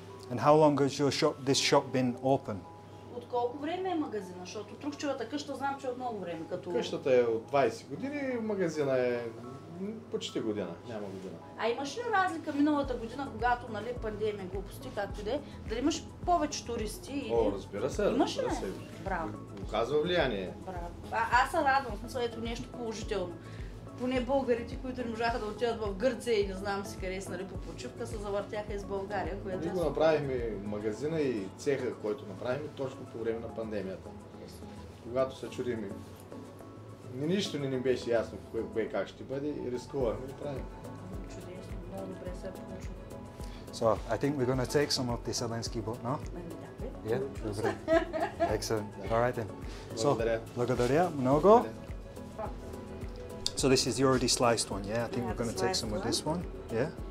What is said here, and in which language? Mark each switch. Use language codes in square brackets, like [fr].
[en] And how long has your shop, this shop, been open? [bg] От колко време е магазина? Защото трукчевата къща знам, че от много време. Като... Къщата е от 20 години, магазина е почти година, няма година. А имаш ли разлика миналата година, когато, нали, пандемия, глупости, както де, дали имаш повече туристи? О, разбира се, имаш ли? Разбира се. Браво. Оказва влияние. Браво. Аз се радвам, смисъл, ето нещо положително. Поне българите, които не можаха да отидат в Гърция и не знам си къде са, нали, по почивка, се завъртяха из България, която... Ние го направихме магазина и цеха, който направихме точно по време на пандемията. Когато се чудим, нищо не ни беше ясно кое как ще бъде и рискувахме да правим. Чудесно, много добре се получи. [en] So, I think we're going to take some of this Elenski Byt, no? Yeah, добре. Excellent. All right then. So, [bg] благодаря много. [en] So this is the already sliced one, yeah? I think we're going to take some of this one, yeah?